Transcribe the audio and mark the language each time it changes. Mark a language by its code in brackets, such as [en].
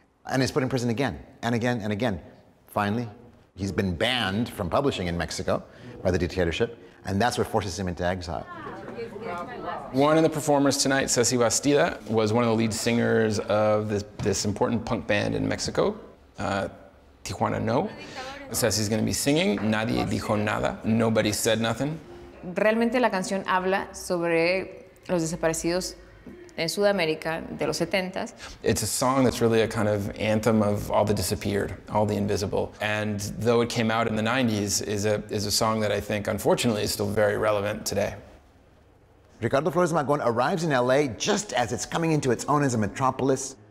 [en] And is put in prison again, and again, and again. Finally, he's been banned from publishing in Mexico by the dictatorship, and that's what forces him into exile. One of the performers tonight, Ceci Bastida, was one of the lead singers of this important punk band in Mexico, Tijuana No. Ceci's gonna be singing, Nadie Dijo Nada, Nobody Said Nothing. [es] Realmente la canción habla sobre los desaparecidos en Sudamérica de los 70s. [en] It's a song that's really a kind of anthem of all the disappeared, all the invisible. And though it came out in the 90s, is a song that I think, unfortunately, is still very relevant today. Ricardo Flores Magón arrives in LA just as it's coming into its own as a metropolis.